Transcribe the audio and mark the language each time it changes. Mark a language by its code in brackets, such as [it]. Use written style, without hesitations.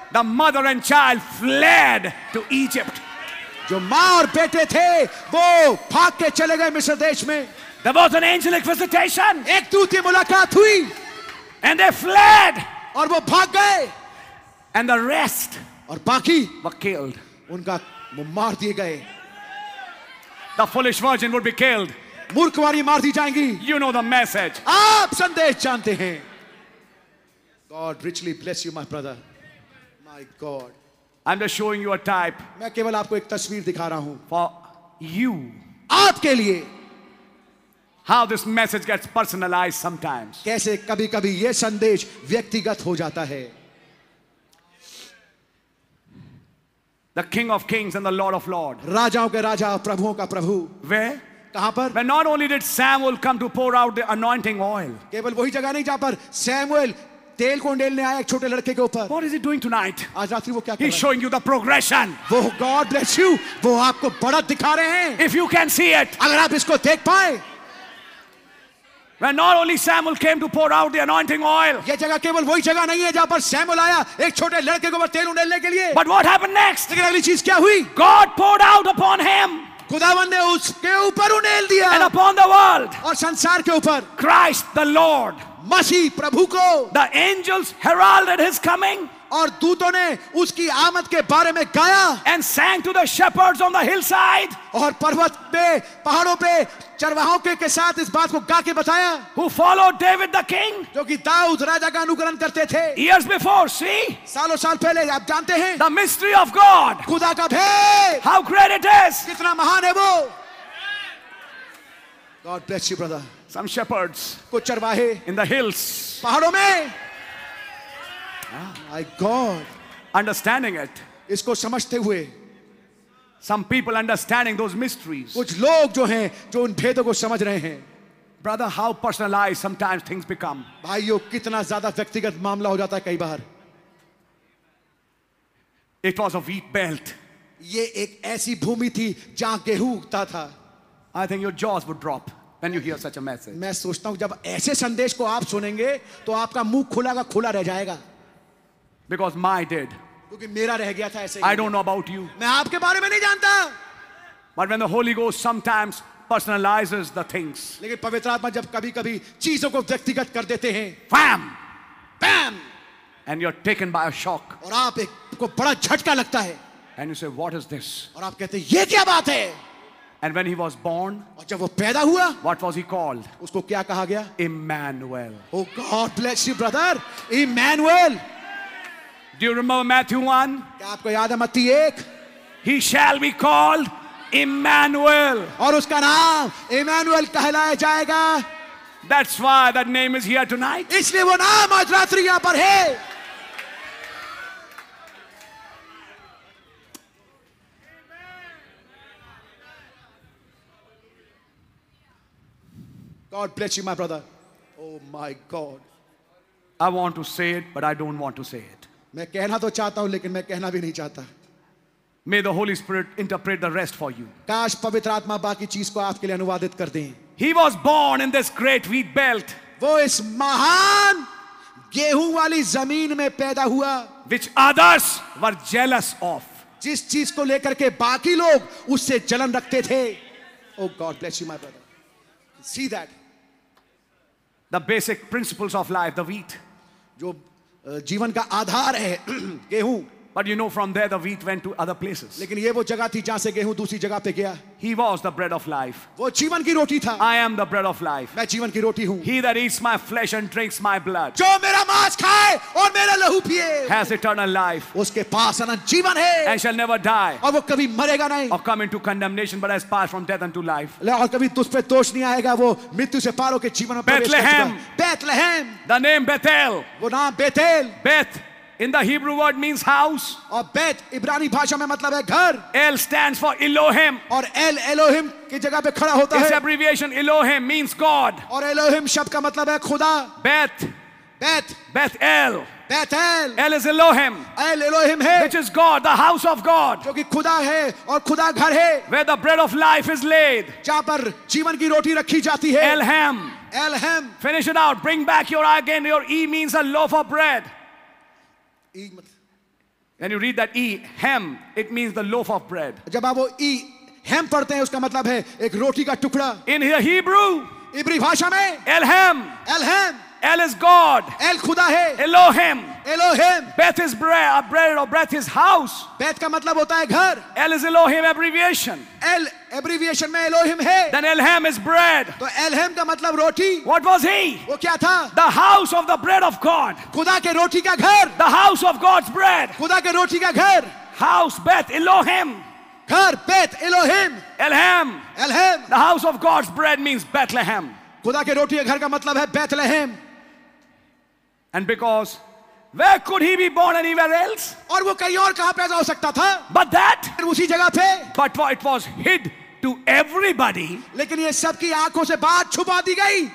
[en] the mother and child fled to Egypt. [hi] जो माँ और बेटे थे, वो भाग के चले गए मिस्र देश में. [en] There was an angelic visitation. [hi] एक दूती मुलाकात हुई, [en] and they fled. [hi] और वो भाग गए, [en] and the rest, [hi] और बाकी, [en] were killed. [hi] उनका वो मार दिए गए [en] the foolish version would be killed [hi] मूर्ख वाली मार दी जाएंगी [en] you know the message [hi] आप संदेश जानते हैं [en] God richly bless you my brother my God I am just showing you a type [hi] मैं केवल आपको एक तस्वीर दिखा रहा हूं [en] for you [hi] आपके लिए [en] how this message gets personalised sometimes [hi] कैसे कभी कभी यह संदेश व्यक्तिगत हो जाता है [en] The King of Kings and the Lord of Lords. [hi] राजाओं के राजा प्रभुओं का प्रभु. [en] Where? [hi] कहाँ पर? [en] Where not only did Samuel come to pour out the anointing oil. [hi] केवल वही जगह नहीं जहाँ पर Samuel तेल को उंडेलने आया एक छोटे लड़के के ऊपर. [en] What is he doing tonight? [hi] आज रात्रि वो क्या कर रहा है? [en] He's showing you the progression. वो God bless you. [hi] वो आपको बढ़त दिखा रहे हैं. [en] If you can see it. [hi] अगर आप इसको देख पाए. [en] When not only Samuel came to pour out the anointing oil. [hi] ये जगह केवल वही जगह नहीं है जहाँ पर Samuel आया एक छोटे लड़के को तेल उंडेलने के लिए. [en] But what happened next? [hi] लेकिन अगली चीज़ क्या हुई? [en] God poured out upon him. [hi] खुदावंद ने उसके ऊपर उंडेल दिया. [en] And upon the world. [hi] और संसार के ऊपर. [en] Christ the Lord. [hi] मसीह प्रभु को. [en] The angels heralded his coming. [hi] और दूतों ने उसकी आमद के बारे में गाया. [en] And sang to the shepherds on the hillside. [hi] और पर्वत पे पहाड़ों पे चरवाहों के साथ इस बात को गा के बताया. [en] Who followed David the king? [hi] जो कि दाऊद राजा का अनुकरण करते थे. [en] Years before, see? [hi] सालों साल पहले आप जानते हैं. [en] The mystery of God. [hi] खुदा का भेद. [en] How great it is! [hi] कितना महान है वो. [en] God bless you, brother. Some shepherds. [hi] कुछ चरवाहे. [en] In the hills. [hi] पहाड़ों में. [en] My God. Understanding it. [hi] इसको समझते हुए. [en] Some people understanding those mysteries. [hi] कुछ लोग जो हैं जो उन भेदों को समझ रहे हैं. [en] Brother, how personalized sometimes things become. [hi] भाइयों कितना ज़्यादा व्यक्तिगत मामला हो जाता है कई बार. [en] It was a wheat belt. [hi] ये एक ऐसी भूमि थी जहाँ गेहूँ उगता था. [en] I think your jaws would drop when you hear such a message. [hi] मैं सोचता हूँ जब ऐसे संदेश को आप सुनेंगे तो आपका मुंह खुला का खुला रह जाएगा. [en] Because my did. [hi] क्योंकि मेरा रह गया था ऐसे. [en] I don't know about you. [hi] मैं आपके बारे में नहीं जानता. [en] But when the Holy Ghost sometimes personalizes the things. [hi] लेकिन पवित्र आत्मा जब कभी-कभी चीजों को व्यक्तिगत कर देते हैं. [en] Bam, bam. And you're taken by a shock. [hi] और आप एक को बड़ा झटका लगता है. [en] And you say, what is this? [hi] और आप कहते हैं ये क्या बात है? [en] And when he was born. [hi] और जब वो पैदा हुआ. [en] What was he called? [hi] उसको क्या कहा गया? [en] Emmanuel. Oh God bless you, brother. Emmanuel. Do you remember Matthew 1? [hi] क्या आपको याद है मत्ती 1? [en] He shall be called Emmanuel. [hi] और उसका नाम Emmanuel कहलाया जाएगा. [en] That's why that name is here tonight. [hi] इसलिए वो नाम आज रात्रि यहाँ पर है. [en] God bless you, my brother. Oh my God. I want to say it, but I don't want to say it. [hi] मैं कहना तो चाहता हूं लेकिन मैं कहना भी नहीं चाहता. [en] May the Holy Spirit interpret the rest for you. [hi] काश पवित्र आत्मा बाकी चीज को आपके लिए अनुवादित कर दें. [en] He was born in this great wheat belt. [hi] वो इस महान गेहूं वाली जमीन में पैदा हुआ. [en] Which others were jealous of. [hi] जिस चीज को लेकर के बाकी लोग उससे जलन रखते थे. [en] Oh God bless you my brother. See that. The basic principles of life, the wheat. [hi] जो जीवन का आधार है गेहूं. [en] But you know, from there the wheat went to other places. [hi] लेकिन ये वो जगह थी जहाँ से गेहूँ दूसरी जगह पे गया. [en] He was the bread of life. [hi] वो जीवन की रोटी था. [en] I am the bread of life. [hi] मैं जीवन की रोटी हूँ. [en] He that eats my flesh and drinks my blood. [hi] जो मेरा मांस खाए और मेरा लहू पिए. [en] Has eternal life. [hi] उसके पास अनंत जीवन है. [en] And shall never die. [hi] और वो कभी मरेगा नहीं. [en] Or come into condemnation, but has passed from death unto life. [hi] और कभी तुझ पे दोष नहीं आएगा. वो मृत्यु से पार होकर जीवन में प्रवेश कर चुका है. [en] Bethlehem. The name Bethel. [hi] वो नाम Bethel. [en] Beth. In the Hebrew word means house. [hi] और बेत इब्रानी भाषा में मतलब है घर. [en] L stands for Elohim. [hi] और L Elohim की जगह पे खड़ा होता [en] है. Its abbreviation Elohim means God. [hi] और Elohim शब्द का मतलब है खुदा. [en] Beth. Beth. Beth L. Beth L. L is Elohim. [hi] L Elohim है. [en] Which is God, the house of God. [hi] जो कि खुदा है और खुदा घर है. [en] Where the bread of life is laid. [hi] जहाँ पर जीवन की रोटी रखी जाती है. [en] Elham. Elham. Finish it out. Bring back your I again. Your E means a loaf of bread. When you read that E, hem, it means the loaf of bread. [hi] जब आप वो E, hem पढ़ते हैं उसका मतलब है एक रोटी का टुकड़ा. [en] In the Hebrew, [hi] इब्री भाषा में, Elham, Elham, [en] El is God, [hi] El खुदा है, Elohim, Elohim, [en] Beth is bread, a bread or breath is house. [hi] Beth का मतलब होता है घर. [en] El is Elohim abbreviation. [hi] El abbreviation में Elohim है. [en] Then Elham is bread. [hi] तो Elham का मतलब रोटी. [en] What was he? [hi] वो क्या था? [en] The house of the bread of God. [hi] खुदा के रोटी का घर. [en] The house of God's bread. [hi] खुदा के रोटी का घर. [en] House Beth Elohim. [hi] घर Beth Elohim. Elham. Elham. [en] The house of God's bread means Bethlehem. [hi] खुदा के रोटी का घर का मतलब है Bethlehem. [en] And because where could he be born anywhere else? [hi] और वो कहीं और कहाँ पैदा हो सकता था? [en] But that. [hi] उसी जगह पे. [en] But it was hid to everybody. [hi] लेकिन ये सब की आँखों से बात छुपा दी गई.